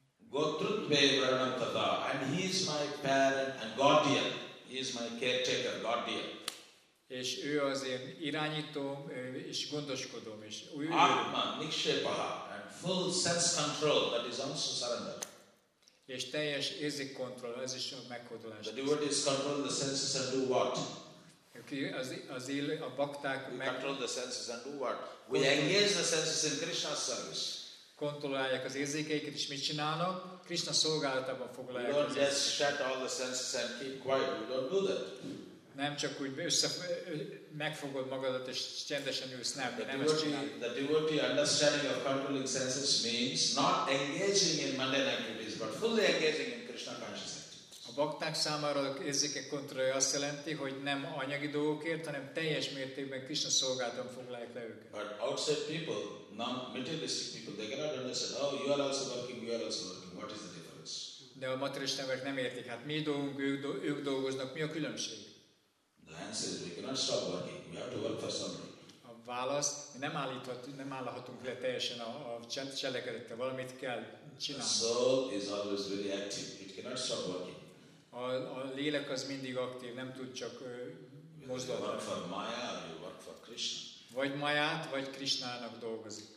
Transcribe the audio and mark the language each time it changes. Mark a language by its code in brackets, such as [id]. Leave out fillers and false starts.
[sa] Gotrutve Varanam Tata, [en] and he is my parent and guardian. He is my caretaker, guardian. [hu] És ő az én irányítom és gondoskodom és új. [sa] Atma nikshepaha [en] and full sense control, that is also surrender. [hu] És teljes érzékkontroll, ez is meghódolás. [en] The devotee is controlling the senses and do what? [hu] Okay, a bakták [en] we control the senses and do what? We engage the senses in Krishna's service. [hu] Kontrollálják az érzékeiket és mit csinálnak? Krishna szolgálatában foglalják. [en] We don't just shut all the senses and keep quiet. We don't do that. [hu] Nem csak úgy megfogod magadat és csendesen ülsz, nem, [en] the [hu] nem ezt csinálod. [en] The devotee understanding of controlling senses means not engaging in mundane activities, but fully engaging in Krishna consciousness. [hu] A bakták számára érzékek kontrollja azt jelenti, hogy nem anyagi dolgokért, hanem teljes mértékben Krisna szolgálatban foglalják le őket. [en] But outside people, non-materialistic people, they cannot understand, oh, you are also working, we are also working. What is the difference? [hu] De a materialista emberek nem értik, hát mi dolgunk, ők dolgoznak, mi a különbség? [en] The answer is, we cannot stop working, we have to work for somebody. [hu] A válasz, mi nem állíthatunk, nem állhatunk le teljesen a cselekedettel, valamit kell csinálni. [en] The soul is always very active, it cannot stop working. [hu] A lélek az mindig aktív, nem tud csak mozdulni. [en] You work for Maya or you work for Krishna. [hu] Vagy Mayát, vagy Krishnának dolgozik.